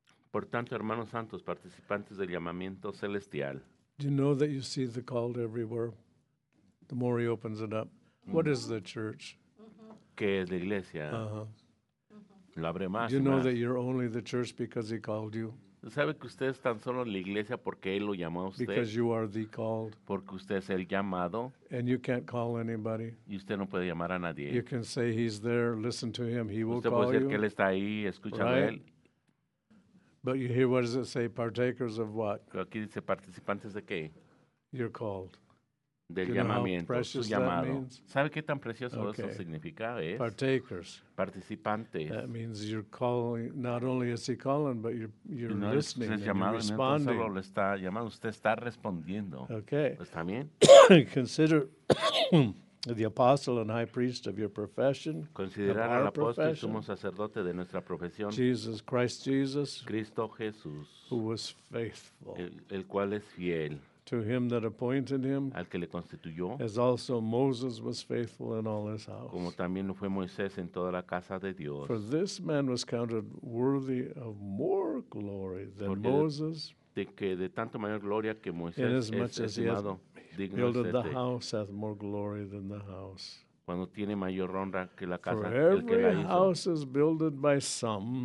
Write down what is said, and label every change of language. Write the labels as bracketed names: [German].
[Spanish] Por tanto, hermanos santos, participantes del llamamiento celestial. [English] Do you know that you see the called everywhere? The more he opens it up. What is the church? [Spanish] ¿Qué es la iglesia? La abre más. [English] Do you know that you're only the church because he called you? [Spanish] ¿Sabe que usted es tan solo la iglesia porque él lo llamó a usted? [English] Because you are the called. [Spanish] Porque usted es el llamado. [English] And you can't call anybody. [Spanish] Y usted no puede llamar a nadie. [English] You can say he's there, listen to him, he will call you. [Spanish] Usted puede decir que él está ahí, escúchalo a él. [English] But you hear, what does it say, partakers of what? [Spanish] Pero aquí dice, ¿participantes de qué? [English] You're called. [Spanish] Del llamamiento, su llamado. ¿Sabe qué tan precioso eso significa? Es [English] partakers. [Spanish] Participantes. [English] That means you're calling, not only is he calling, but you're listening and you're responding. [Spanish] No solo lo está llamando, usted está respondiendo. [English] Okay. [Spanish] ¿Está bien? [English] Consider the apostle and high priest of your profession. [Spanish] Considerar al apóstol y sumo sacerdote de nuestra profesión. [English] Jesus Christ Jesus. [Spanish] Cristo Jesús. [English] Who was faithful. [Spanish] El cual es fiel. [English] To him that appointed him, [Spanish] al que le constituyó, [English] as also Moses was faithful in all his house. [Spanish] Como también lo fue Moisés en toda la casa de Dios. [English] For this man was counted worthy of more glory than [Spanish] porque [English] Moses. [Spanish] De que de tanto mayor gloria que Moisés [English] inasmuch [Spanish] es estimado, [English] as he has builded the house hath more glory than the house. [Spanish] Cuando tiene mayor honra que la casa, [English] for [Spanish] el que la hizo. [English] For every house is builded by some.